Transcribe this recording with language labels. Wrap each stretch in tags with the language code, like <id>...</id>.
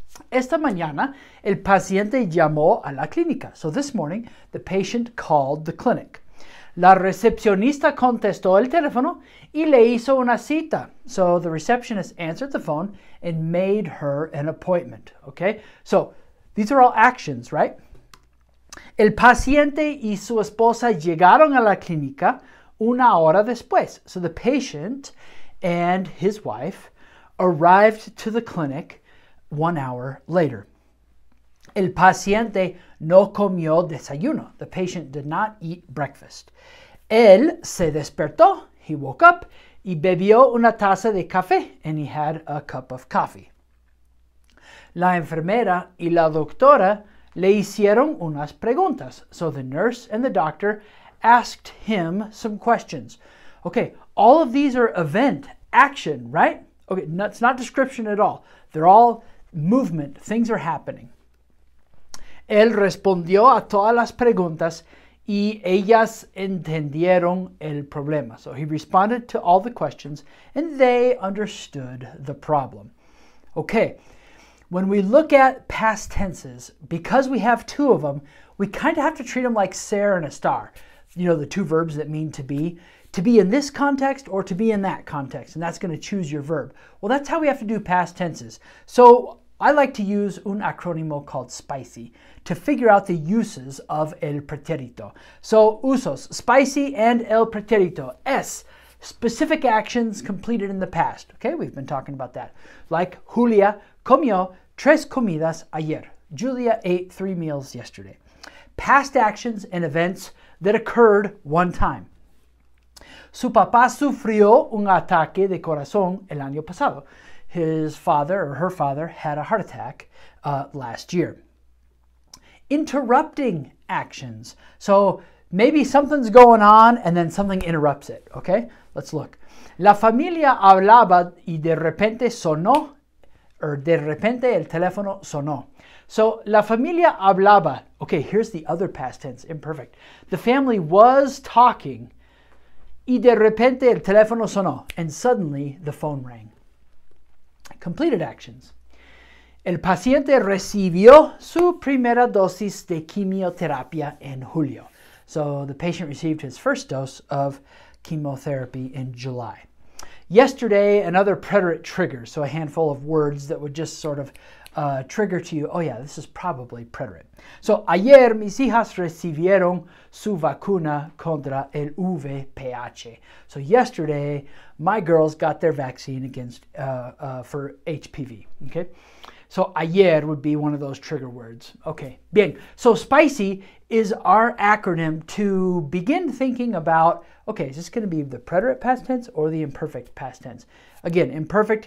<es>Esta mañana, el paciente llamó a la clínica.</es> <en>So this morning, the patient called the clinic.</en> <es>La recepcionista contestó el teléfono y le hizo una cita.</es> <en>So the receptionist answered the phone and made her an appointment, okay? So these are all actions, right?</en> <es>El paciente y su esposa llegaron a la clínica una hora después.</es> <en>So the patient and his wife arrived to the clinic 1 hour later.</en> <es>El paciente no comió desayuno.</es> <en>The patient did not eat breakfast.</en> <es>Él se despertó.</es> <en>He woke up.</en> <es>Y bebió una taza de café.</es> <en>And he had a cup of coffee.</en> <es>La enfermera y la doctora le hicieron unas preguntas.</es> <en>So the nurse and the doctor asked him some questions. Okay, all of these are event, action, right? Okay, it's not description at all. They're all movement. Things are happening.</en> <es>Él respondió a todas las preguntas y ellas entendieron el problema.</es> <en>So he responded to all the questions and they understood the problem. Okay, when we look at past tenses, because we have two of them, we kind of have to treat them like ser and estar. You know, the two verbs that mean to be in this context or to be in that context. And that's going to choose your verb. Well, that's how we have to do past tenses. So I like to use</en> <es>un acrónimo</es> <en>called SPICY to figure out the uses of el pretérito. So, usos, SPICY and el pretérito. S, specific actions completed in the past. Okay, we've been talking about that. Like,</en> <es>Julia comió tres comidas ayer.</es> <en>Julia ate three meals yesterday. Past actions and events that occurred one time.</en> <es>Su papá sufrió un ataque de corazón el año pasado.</es> <en>His father or her father had a heart attack last year. Interrupting actions. So maybe something's going on and then something interrupts it. Okay, let's look.</en> <es>La familia hablaba y de repente sonó,</es> <en>or</en> <es>de repente el teléfono sonó. So la familia hablaba.</es> <en>Okay, here's the other past tense, imperfect. The family was talking</en> <es>y de repente el teléfono sonó,</es> <en>and suddenly the phone rang. Completed actions.</en> <es>El paciente recibió su primera dosis de quimioterapia en julio.</es> <en>So the patient received his first dose of chemotherapy in July. Yesterday, another preterite trigger. So a handful of words that would just sort of trigger to you. Oh yeah, this is probably preterite.</en> <es>So ayer mis hijas recibieron su vacuna contra el VPH.</es> <en>So yesterday, my girls got their vaccine against for HPV. Okay. So ayer would be one of those trigger words. Okay, bien. So SPICY is our acronym to begin thinking about, okay, is this going to be the preterite past tense or the imperfect past tense? Again, imperfect.</en>